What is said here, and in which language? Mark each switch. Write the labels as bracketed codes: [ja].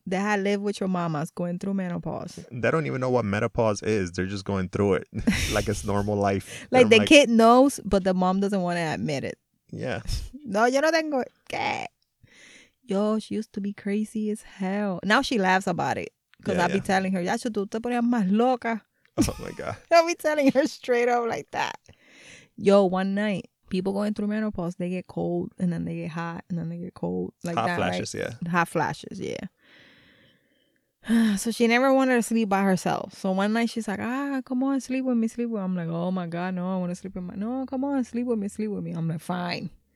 [en] They had live with your mamas going through menopause. They don't even know what menopause is. They're just going through it. Like it's normal life. Like the kid knows, but the mom doesn't want to admit it. Yeah. [es] No, yo no tengo. ¿Qué? [en] Yo, she used to be crazy as hell. Now she laughs about it. Because I'll be telling her, [es] ya tú te ponías más loca. [en] Oh, my God. I'll be telling her straight up like that. Yo, one night, people going through menopause, they get cold, and then they get hot, and then they get cold. Like hot that, flashes, right? Hot flashes, yeah. So she never wanted to sleep by herself. So one night, she's like, come on, sleep with me, sleep with me. I'm like, oh, my God, no, I want to sleep with my... No, come on, sleep with me, sleep with me. I'm like, fine.